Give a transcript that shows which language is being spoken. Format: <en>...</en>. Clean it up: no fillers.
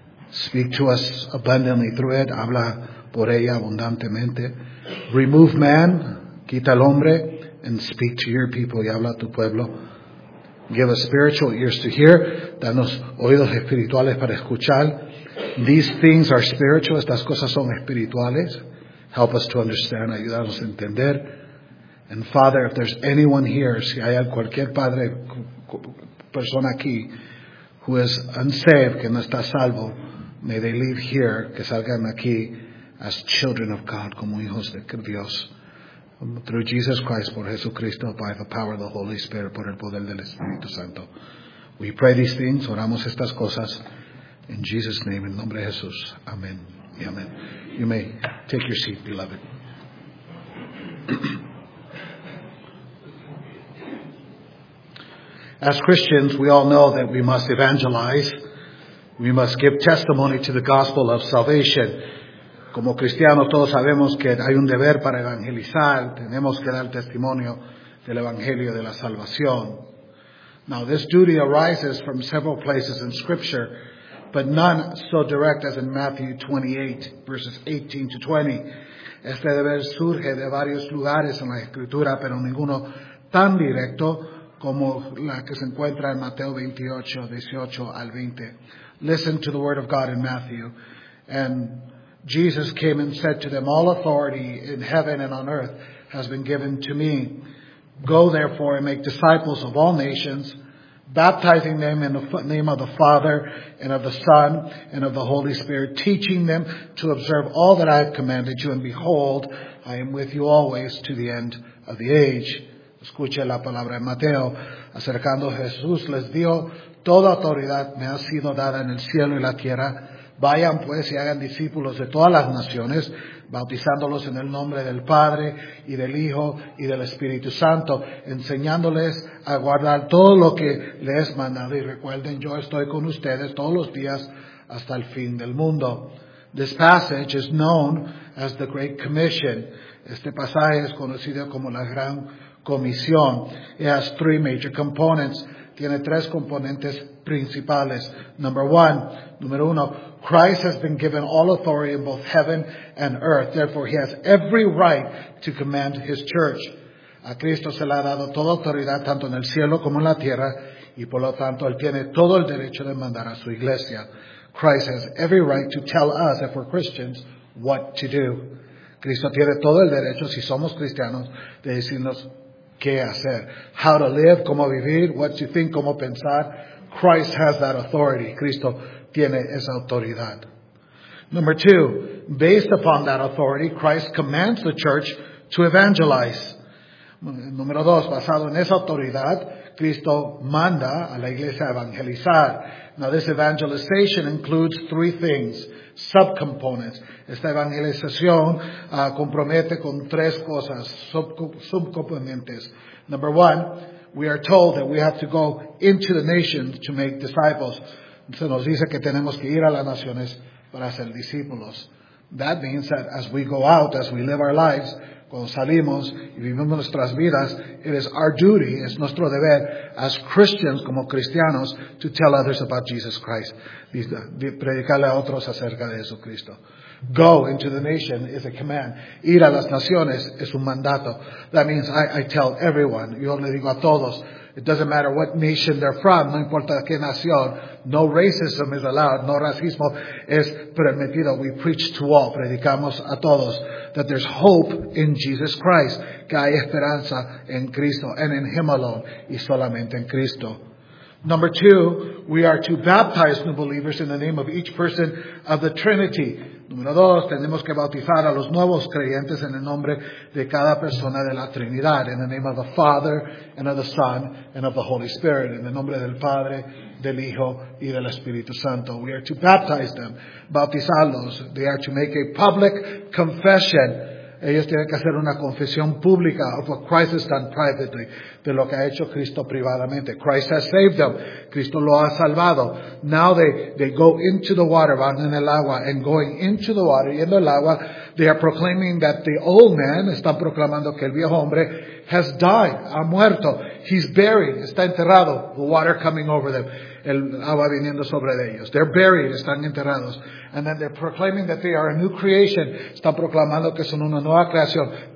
<en>Speak to us abundantly through it.</en> <es>Habla por ella abundantemente.</es> <en>Remove man,</en> <es>quita al hombre,</es> <en>and speak to your people</en> <es>y habla a tu pueblo.</es> <en>Give us spiritual ears to hear.</en> <es>Danos oídos espirituales para escuchar.</es> <en>These things are spiritual.</en> <es>Estas cosas son espirituales.</es> <en>Help us to understand.</en> <es>Ayúdanos a entender.</es> <en>And Father, if there's anyone here,</en> <es>si hay cualquier padre, persona aquí,</es> <en>who is unsaved,</en> <es>que no está salvo,</es> <en>may they leave here,</en> <es>que salgan aquí,</es> <en>as children of God,</en> <es>como hijos de Dios.</es> <en>Through Jesus Christ,</en> <es>por Jesucristo,</es> <en>by the power of the Holy Spirit,</en> <es>por el poder del Espíritu Santo.</es> <en>We pray these things,</en> <es>oramos estas cosas,</es> <en>in Jesus' name,</en> <es>in nombre de Jesús.</es> <en>Amen. Amen. You may take your seat, beloved. As Christians, we all know that we must evangelize. We must give testimony to the gospel of salvation.</en> <es>Como cristianos, todos sabemos que hay un deber para evangelizar. Tenemos que dar testimonio del evangelio de la salvación.</es> <en>Now, this duty arises from several places in Scripture, but none so direct as in Matthew 28, verses 18 to 20.</en> <es>Este deber surge de varios lugares en la Escritura, pero ninguno tan directo como la que se encuentra en Mateo 28, 18 al 20.</es> <en>Listen to the word of God in Matthew. And Jesus came and said to them, all authority in heaven and on earth has been given to me. Go therefore and make disciples of all nations, baptizing them in the name of the Father and of the Son and of the Holy Spirit, teaching them to observe all that I have commanded you. And behold, I am with you always to the end of the age.</en> <es>Escuche la palabra de Mateo. Acercando Jesús les dio, toda autoridad me ha sido dada en el cielo y la tierra. Vayan pues y hagan discípulos de todas las naciones, bautizándolos en el nombre del Padre y del Hijo y del Espíritu Santo, enseñándoles a guardar todo lo que les he mandado. Y recuerden, yo estoy con ustedes todos los días hasta el fin del mundo.</es> <en>This passage is known as the Great Commission.</en> <es>Este pasaje es conocido como la Gran comisión.</es> <en>It has three major components.</en> <es>Tiene tres componentes principales. Número uno,</es> <en>Christ has been given all authority in both heaven and earth. Therefore, he has every right to command his church.</en> <es>A Cristo se le ha dado toda autoridad, tanto en el cielo como en la tierra, y por lo tanto, él tiene todo el derecho de mandar a su iglesia.</es> <en>Christ has every right to tell us, if we're Christians, what to do.</en> <es>Cristo tiene todo el derecho, si somos cristianos, de decirnos qué hacer.</es> <en>How to live,</en> <es>cómo vivir,</es> <en>what to think,</en> <es>cómo pensar.</es> <en>Christ has that authority.</en> <es>Cristo tiene esa autoridad.</es> <en>Number two, based upon that authority, Christ commands the church to evangelize.</en> <es>Número dos, basado en esa autoridad, Cristo manda a la iglesia a evangelizar.</es> <en>Now this evangelization includes three things, subcomponents.</en> <es>Esta evangelización compromete con tres cosas, subcomponentes.</es> <en>Number one, we are told that we have to go into the nations to make disciples.</en> <es>Se nos dice que tenemos que ir a las naciones para hacer discípulos.</es> <en>That means that as we go out, as we live our lives,</en> <es>cuando salimos y vivimos nuestras vidas,</es> <en>it is our duty,</en> <es>es nuestro deber,</es> <en>as Christians,</en> <es>como cristianos,</es> <en>to tell others about Jesus Christ.</en> <es>Predicarle a otros acerca de Jesucristo.</es> <en>Go into the nation is a command.</en> <es>Ir a las naciones es un mandato.</es> <en>That means I tell everyone,</en> <es>yo le digo a todos,</es> <en>it doesn't matter what nation they're from,</en> <es>no importa qué nación,</es> <en>no racism is allowed,</en> <es>no racismo es permitido.</es> <en>We preach to all,</en> <es>predicamos a todos,</es> <en>that there's hope in Jesus Christ,</en> <es>que hay esperanza en Cristo,</es> <en>and in Him alone,</en> <es>y solamente en Cristo.</es> <en>Number two, we are to baptize new believers in the name of each person of the Trinity.</en> <es>Número dos, tenemos que bautizar a los nuevos creyentes en el nombre de cada persona de la Trinidad.</es> <en>In the name of the Father, and of the Son, and of the Holy Spirit.</en> <es>En el nombre del Padre, del Hijo, y del Espíritu Santo.</es> <en>We are to baptize them,</en> <es>bautizarlos.</es> <en>They are to make a public confession.</en> <es>Ellos tienen que hacer una confesión pública</es> <en>of what Christ has done privately,</en> <es>de lo que ha hecho Cristo privadamente.</es> <en>Christ has saved them.</en> <es>Cristo lo ha salvado.</es> <en>Now they go into the water,</en> <es>van en el agua,</es> <en>and going into the water,</en> <es>y en el agua,</es> <en>they are proclaiming that the old man,</en> <es>están proclamando que el viejo hombre,</es> <en>has died,</en> <es>ha muerto.</es> <en>He's buried,</en> <es>está enterrado.</es> <en>The water coming over them,</en> <es>el agua viniendo sobre ellos.</es> <en>They're buried,</en> <es>están enterrados.</es> <en>And then they're proclaiming that they are a new creation.</en> <es>Están proclamando que son una nueva creación.</es>